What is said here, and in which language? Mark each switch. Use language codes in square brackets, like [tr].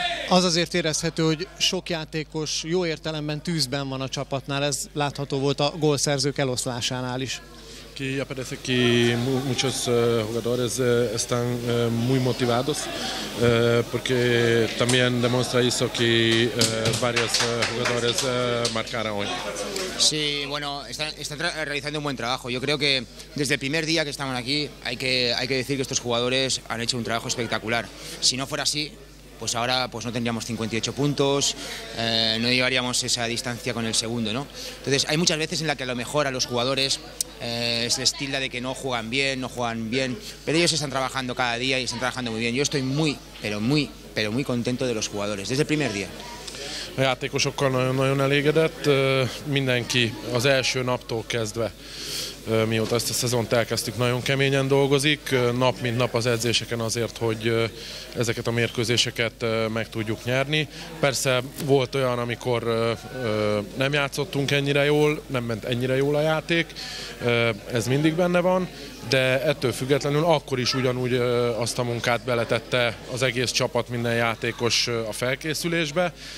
[hu] Az azért érezhető, hogy sok játékos jó értelemben tűzben van a csapatnál, ez látható volt a gólszerzők eloszlásánál is. [es] Que ya parece que muchos jugadores están muy motivados porque también demuestra eso que varios jugadores marcaron hoy. Sí, bueno, están realizando un buen trabajo. Yo creo que desde el primer día que estaban aquí hay que decir que estos jugadores han hecho un trabajo espectacular. Si no fuera así, pues ahora pues no tendríamos 58 puntos, no llevaríamos esa distancia con el segundo, ¿no? Entonces hay muchas veces en la que a lo mejor a los jugadores se les tilda de que no juegan bien, pero ellos están trabajando cada día y están trabajando muy bien. Yo estoy muy contento de los jugadores, desde el primer día. [hu] A játékosokkal nagyon-nagyon elégedett mindenki az első naptól kezdve. Mióta ezt a szezont elkezdtük, nagyon keményen dolgozik, nap mint nap az edzéseken azért, hogy ezeket a mérkőzéseket meg tudjuk nyerni. Persze volt olyan, amikor nem játszottunk ennyire jól, nem ment ennyire jól a játék, ez mindig benne van, de ettől függetlenül akkor is ugyanúgy azt a munkát beletette az egész csapat, minden játékos a felkészülésbe.